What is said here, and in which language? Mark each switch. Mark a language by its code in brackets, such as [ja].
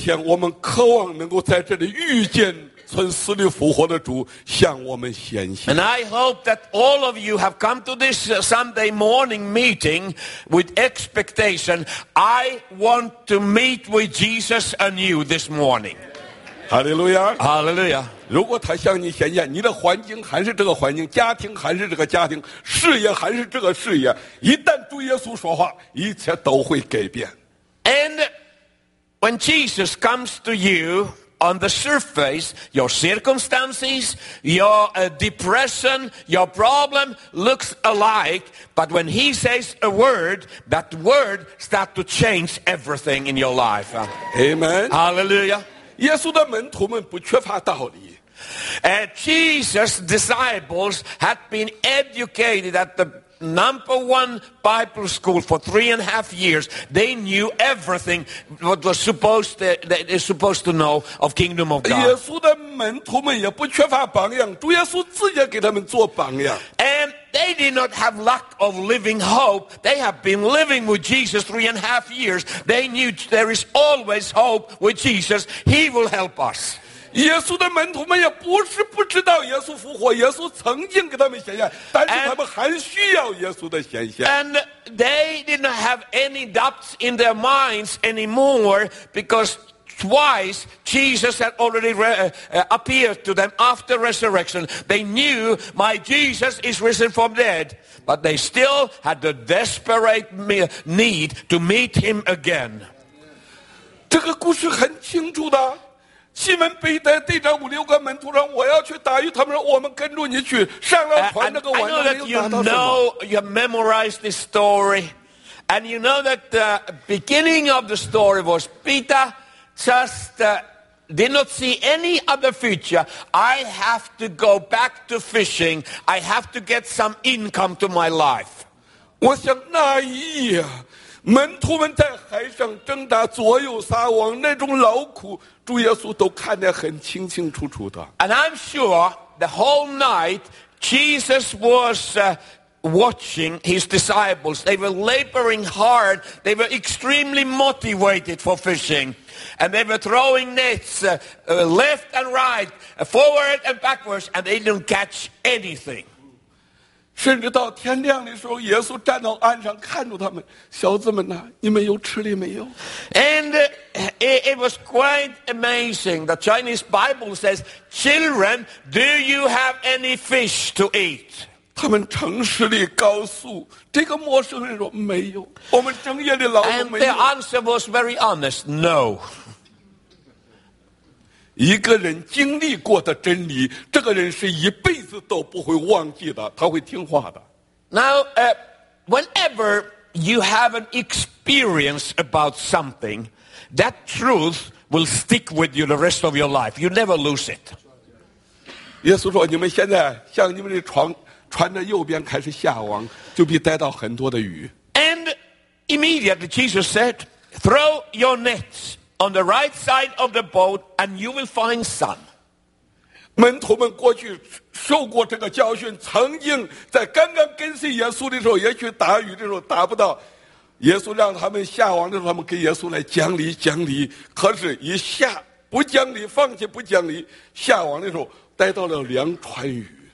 [zh] 主日我们来到的面前我们渴望能够在这里遇见 [en] And I hope that all of you have come to this Sunday morning meeting with expectation. I want to meet with Jesus anew this morning. Hallelujah. Hallelujah. [zh] 如果他向你显现，你的环境还是这个环境，家庭还是这个家庭，事业还是这个事业，一旦主耶稣说话，一切都会改变。 [en] And when Jesus comes to you, on the surface, your circumstances, your depression, your problem looks alike. But when he says a word, that word starts to change everything in your life. Amen. Hallelujah. Jesus' disciples had been educated at the number one Bible school for 3.5 years. They knew everything what was supposed to, that they're supposed to know of kingdom of God. And they did not have lack of living hope. They have been living with Jesus 3.5 years. They knew there is always hope with Jesus. He will help us. [zh] 耶稣的门徒们也不是不知道耶稣复活，耶稣曾经给他们显现，但是他们还需要耶稣的显现。 [en] And they did not have any doubts in their minds anymore because twice Jesus had already appeared to them after resurrection. They knew my Jesus is risen from dead, but they still had the desperate need to meet him again. [zh] 这个故事很清楚的，西门彼得对着五六个门徒说：“我要去打鱼。” 他们说：“我们跟着你去。” 上了船那个晚上又打到什么 [en] ？You know, you memorized this story, and you know that the beginning of the story was Peter just did not see any other future. I have to go back to fishing. I have to get some income to my life. [zh] 我想那一夜。门徒们在海上挣扎，左右撒网，那种劳苦，主耶稣都看得很清清楚楚的。 [en] And I'm sure the whole night Jesus was watching his disciples. They were laboring hard. They were extremely motivated for fishing, and they were throwing nets left and right, forward and backwards, and they didn't catch anything. [zh] 甚至到天亮的时候，耶稣站到岸上看住他们，小子们呐、啊，你们有吃的没有 [en] ？And it was quite amazing. The Chinese Bible says, "Children, do you have any fish to eat?" [zh] 他们诚实地告诉这个陌生人说没有，我们整夜的劳碌没有。 [en] And their answer was very honest, "No." [zh] 一个人经历过的真理，这个人是一辈子都不会忘记的，他会听话的。 [en] Now, whenever you have an experience about something, that truth will stick with you the rest of your life. You never lose it. [zh] 耶稣说：“你们现在向你们的船的右边开始下网，就必逮到很多的鱼。” [en] And immediately Jesus said, "Throw your nets." On the right side of the boat, and you will find some. [zh] 门徒们过去受过这个教训，曾经在刚刚跟随耶稣的时候，也去打鱼的时候打不到。耶稣让他们下网的时候，他们给耶稣来讲理讲理。可是，一下不讲理，放弃不讲理，下网的时候逮到了两船鱼。